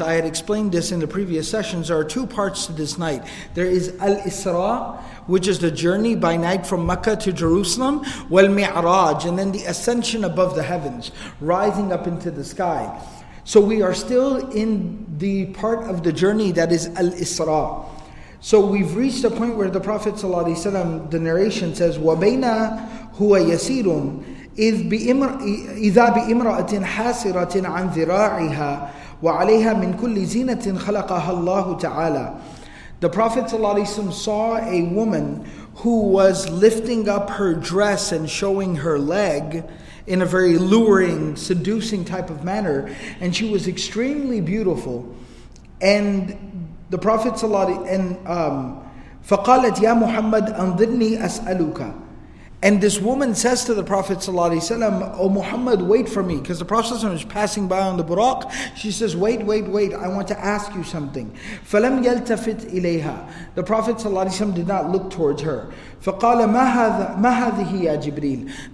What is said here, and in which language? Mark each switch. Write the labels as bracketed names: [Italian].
[English] I had explained this in the previous sessions. There are two parts to this night. There is Al-Isra, which is the journey by night from Mecca to Jerusalem, Wal-Mi'raj, and then the ascension above the heavens, rising up into the sky. So we are still in the part of the journey that is Al-Isra. So we've reached a point where the Prophet ﷺ, the narration says, [Arabic] وَبَيْنَا هُوَ يَسِيرٌ إِذَا بِإِمْرَأَةٍ حَاسِرَةٍ عَنْ ذِرَاعِهَا وَعَلَيْهَا مِنْ كُلِّ زِينَةٍ خَلَقَهَا اللَّهُ تَعَالَى. [English] The Prophet ﷺ saw a woman who was lifting up her dress and showing her leg in a very luring, seducing type of manner. And she was extremely beautiful. And the Prophet [Arabic] فَقَالَتْ يَا مُحَمَّدْ أَنْظِرْنِي أَسْأَلُكَ. [English] And this woman says to the Prophet ﷺ, "Oh Muhammad, wait for me." Because the Prophet ﷺ is passing by on the Buraq. She says, wait, I want to ask you something. [Arabic] فَلَمْ يَلْتَفِتْ إِلَيْهَا. [English] The Prophet ﷺ did not look towards her. [Arabic] فَقَالَ مَا هَذِهِ يَا جِبْرِيلِ.